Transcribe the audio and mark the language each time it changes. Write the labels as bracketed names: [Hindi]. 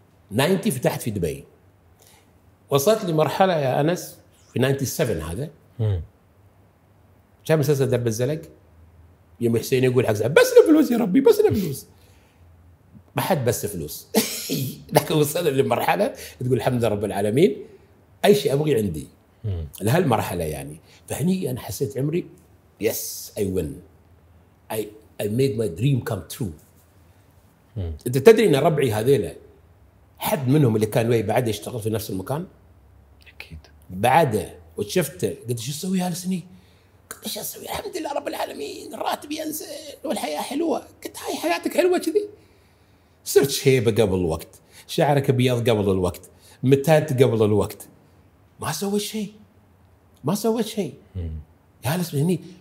[Arabic] 90 فتحت في دبي، وصلت لمرحلة يا أنس في 97 هذا كان مسلسل درب الزلق، يوم حسين يقول حق بس فلوس يا ربي بس فلوس ما حد بس فلوس لكن وصلنا لمرحلة تقول الحمد لله رب العالمين أي شيء أبغي عندي لهالمرحلة يعني. فهني أنا حسيت عمري [English] yes I win I made my dream come true. [Arabic] أنت تدري إن ربعي هذيلا حد منهم اللي كان وياي بعده يشتغل في نفس المكان؟ أكيد. بعده وشفته قلت شو أسوي هالسنة؟ قلت إيش أسوي؟ الحمد لله رب العالمين الراتب ينزل والحياة حلوة. قلت هاي حياتك حلوة كذي؟ صرت شيبة قبل الوقت، شعرك أبيض قبل الوقت، متات قبل الوقت، ما سويت شيء، ما سويت شيء. جالس هني.